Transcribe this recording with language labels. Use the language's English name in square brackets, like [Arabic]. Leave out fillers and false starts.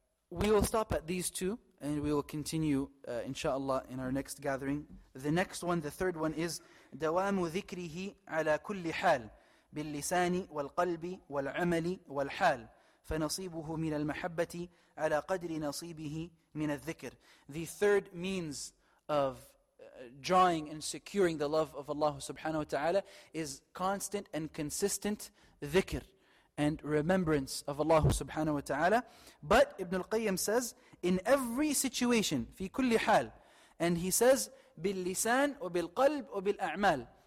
[English] We will stop at these two and we will continue inshallah in our next gathering. The next one, the third one is [Arabic] دوام ذكره على كل حال باللسان والقلب والعمل والحال فنصيبه من المحبة على قدر نصيبه من الذكر. [English] The third means of drawing and securing the love of Allah subhanahu wa ta'ala is constant and consistent dhikr and remembrance of Allah subhanahu wa ta'ala. But Ibn al-Qayyim says, in every situation, [Arabic] في كل حال, [English] and he says, [Arabic] باللسان وبالقلب وبالأعمال.